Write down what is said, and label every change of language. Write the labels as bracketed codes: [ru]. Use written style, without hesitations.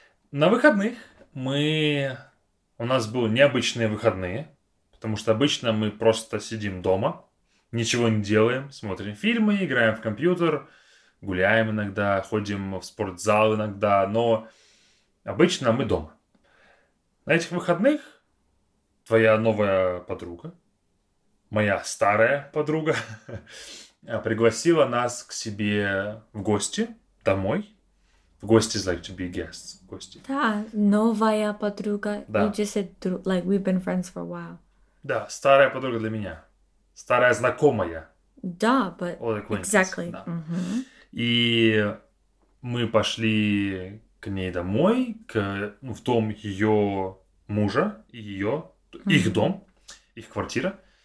[ru] На выходных у нас были необычные выходные, потому что обычно мы просто сидим дома, ничего не делаем, смотрим фильмы, играем в компьютер, гуляем иногда, ходим в спортзал иногда, но обычно мы дома. На этих выходных твоя новая подруга, моя старая подруга, пригласила нас к себе в гости, домой. [en] В гости is like to be guests, в гости. [ru] Да, новая подруга. Да. [en] You just said, like, we've been friends for a while. [ru] Да, старая подруга для меня. Старая знакомая. [en] Да, but exactly. [ru] Да. Mm-hmm. И мы пошли к ней домой, в дом ее мужа, их дом, их квартира.